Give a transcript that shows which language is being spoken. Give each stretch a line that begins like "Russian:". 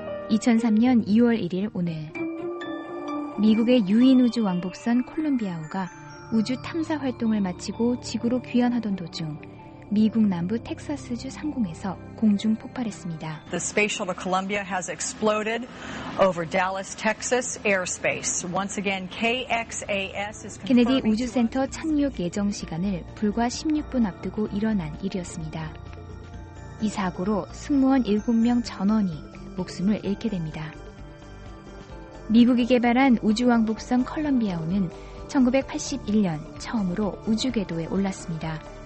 Korean: 2003년 2월 1일 오늘, 미국의 유인 우주 왕복선 콜롬비아호가 우주 탐사 활동을 마치고 지구로 귀환하던 도중 미국 남부 텍사스주 상공에서 공중 폭발했습니다.
English: The spaceship Columbia has exploded over Dallas, Texas airspace. Once again, KXAS is confirming.
Korean: 케네디 우주센터 착륙 예정 시간을 불과 16분 앞두고 일어난 일이었습니다. 이 사고로 승무원 7명 전원이 목숨을 잃게 됩니다. 미국이 개발한 우주왕복선 컬럼비아호는 1981년 처음으로 우주 궤도에 올랐습니다.